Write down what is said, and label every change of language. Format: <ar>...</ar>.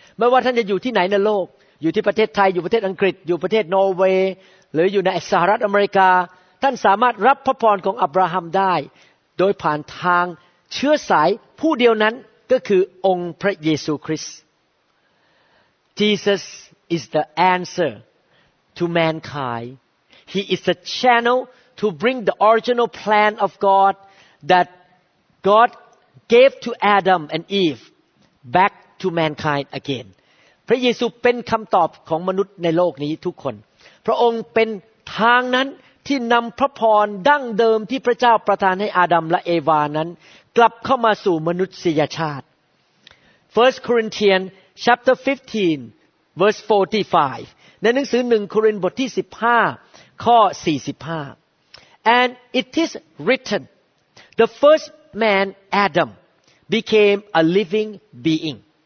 <th>ไม่ว่าท่านจะอยู่ที่ไหนในโลกอยู่ที่ประเทศไทยอยู่ประเทศอังกฤษอยู่ประเทศนอร์เวย์หรืออยู่ในสหรัฐอเมริกาท่านสามารถรับพระพรของอับราฮัมได้โดยผ่านทางเชื้อสายผู้เดียวนั้นก็คือองค์พระเยซูคริสต์</th> <en>Jesus is the answer to mankind. He is the channel to bring the original plan of God that God gave to Adam and Eve back to mankind again.</en> <th>พระเยซูเป็นคำตอบของมนุษย์ในโลกนี้ทุกคนพระองค์เป็นทางนั้นที่นำพระพรดั้งเดิมที่พระเจ้าประทานให้อาดัมและเอวานั้นกลับเข้ามาสู่มนุษยชาติ</th> <en>1 Corinthians chapter 15 verse 45</en> <th>ในหนังสือ1โครินธ์บทที่15ข้อ45</th> <en>And it is written the first man Adam became a living being</en>